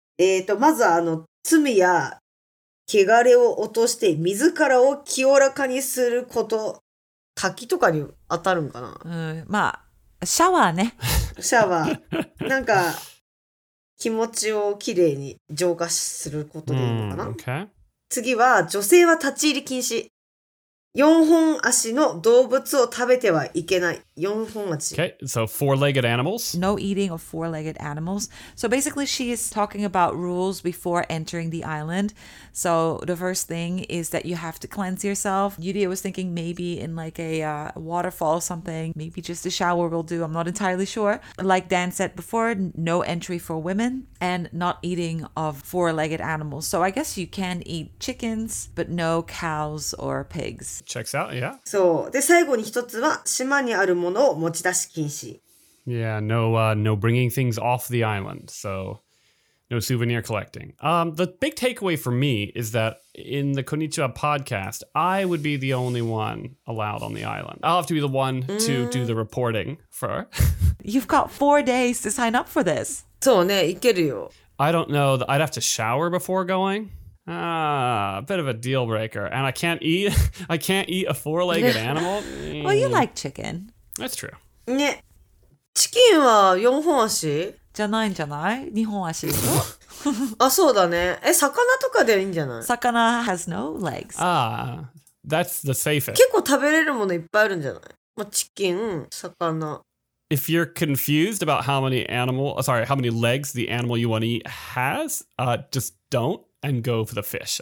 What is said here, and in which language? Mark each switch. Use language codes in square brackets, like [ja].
[ja] ちなみに、その沖ノ島に行ったとしても4つのルールがあります。はい。まず、島に入る前に禊をする。禊をするってなんて言えばいいんだろう。まず、罪や 汚れを落として自らを清らかにすること、滝とかに当たるんかな。まあ、シャワーね。シャワー。なんか気持ちをきれいに浄化することでいいのかな。次は女性は立ち入り禁止。4本足の動物を食べてはいけない。4本足。 [en] Okay, so four-legged animals. No eating of four-legged animals. So basically she is talking about rules before entering the island. So the first thing is that you have to cleanse yourself. Yuri was thinking maybe in like a waterfall or something, maybe just a shower will do. I'm not entirely sure. Like Dan said before, no entry for women and not eating of four-legged animals. So I guess you can eat chickens, but no cows or pigs. Checks out, yeah. [ja] So, で、最後に一つは島にあるものを持ち出し禁止。 [en] Yeah, no bringing things off the island. So no souvenir collecting. The big takeaway for me is that in the Konnichiwa podcast, I would be the only one allowed on the island. I'll have to be the one to do the reporting for. You've got 4 days to sign up for this. [ja] そうね、いけるよ。 [en] I don't know. I'd have to shower before going. A bit of a deal breaker. And I can't eat. I can't eat a four-legged animal. Well, you like chicken. That's true. [ja] Yeah. チキンは4本足? じゃないんじゃない?2本足でしょ? あ、そうだね。え、魚とかでいいんじゃない? [en] 魚 has no legs. Ah, that's the safest. [ja] 結構食べれるものいっぱいあるんじゃない? まあ、チキン、魚。 [en] If you're confused about how many legs the animal you want to eat has, just don't and go for the fish.